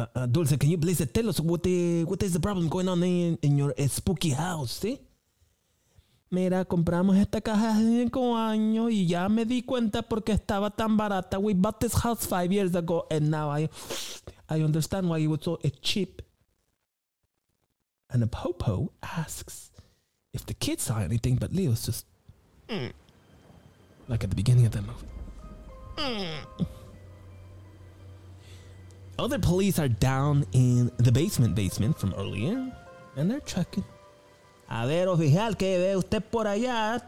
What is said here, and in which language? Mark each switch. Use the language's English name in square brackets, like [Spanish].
[English] Dulce, can you please tell us what is the problem going on in your spooky house, see? [Spanish] Mira, compramos esta casa hace 5 años y ya me di cuenta porque estaba tan barata. [English] We bought this house 5 years ago and now I understand why it was so cheap. And the popo asks if the kids saw anything, but Leo's just... Like at the beginning of that movie. Other police are down in the basement from earlier, and they're checking. [Spanish] A ver, oficial, ¿qué ve usted por allá?